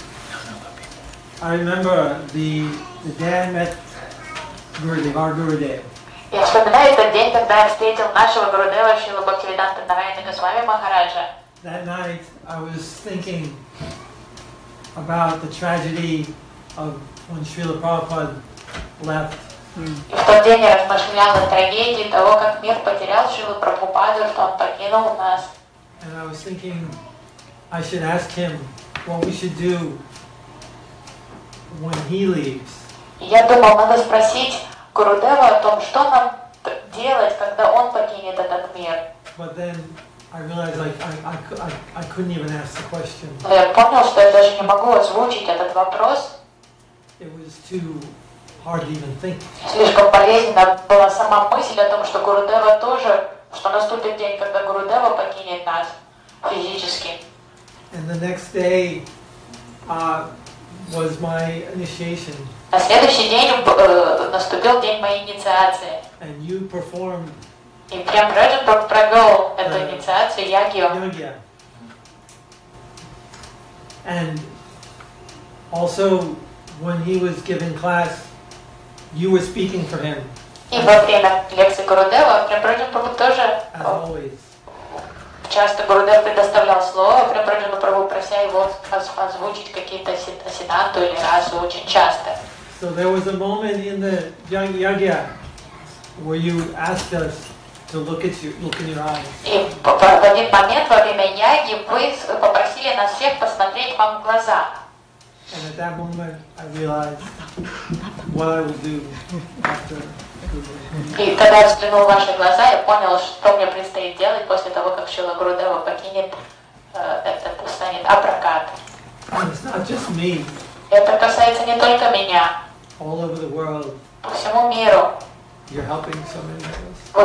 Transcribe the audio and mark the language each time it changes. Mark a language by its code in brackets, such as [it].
[en] So, I remember the day I met Gurudev, our Gurudev. [ru] Я вспоминаю тот день, когда я встретил нашего Гурудева, Шрилу Бхактивиданта Нараяна Госвами Махараджа. [en] That night, I was thinking about the tragedy of when Srila Prabhupada left. [ru] И в тот день я размышлял о трагедии того, как мир потерял Шрилу Прабхупаду, что он покинул нас. [en] And I was thinking, I should ask him what we should do when he leaves. [ru] Я думал, надо спросить Гурудева о том, что нам делать, когда он покинет этот мир. [en] But then I realized, like I couldn't even ask the question. [ru] Но я понял, что я даже не могу озвучить этот вопрос. [en] It was too hard to even think. [ru] Слишком болезненно была сама мысль о том, что Гурудева тоже, что наступит день, когда Гурудева покинет нас физически. [en] And the next day was my initiation. [ru] На следующий день наступил день моей инициации. [en] And you performed. [ru] И прям Прэджан провел эту инициацию ягью. [en] And also when he was giving class, you were speaking for him. [ru] И во время лекции Гурудева прям Прэджан тоже. [en] As always. [ru] Часто Гурудев предоставлял слово, прям Прэджану Прабху прося его озвучить какие-то сиданту или расу очень часто. [en] So there was a moment in the yagya where you asked us to look in your eyes. [ru] И в один момент во время яги вы попросили нас всех посмотреть вам в глаза. [en] And at that moment I realized what I would do after. [ru] И когда я взглянул в ваши глаза, я понял, что мне предстоит делать после того, как Шрила Гурудева покинет, это станет апракат. [en] It's not just me. [ru] Это касается не только меня. [en] All over the world. [ru] По всему миру. [en] You're helping so many people.